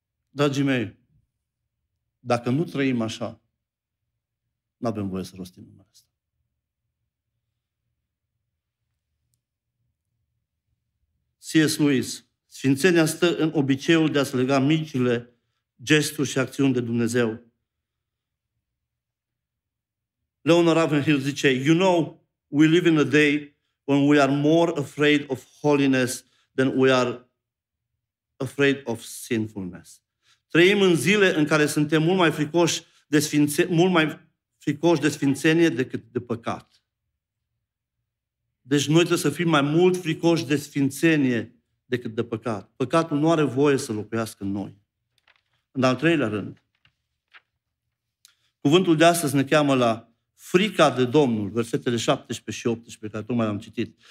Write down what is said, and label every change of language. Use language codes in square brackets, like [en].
[ro] Dragii mei, dacă nu trăim așa, n-avem voie să rostim numele ăsta. C.S. Lewis, sfințenia stă în obiceiul de a-ți lega micile gesturi și acțiuni de Dumnezeu. [en] Leonard Ravenhill zice, you know, we live in a day when we are more afraid of holiness than we are afraid of sinfulness. [ro] Trăim în zile în care suntem mult mai fricoși de sfințenie decât de păcat. Deci noi trebuie să fim mai mult fricoși de sfințenie decât de păcat. Păcatul nu are voie să locuiască în noi. În al treilea rând, cuvântul de astăzi ne cheamă la frica de Domnul, versetele 17 și 18, care tocmai am citit.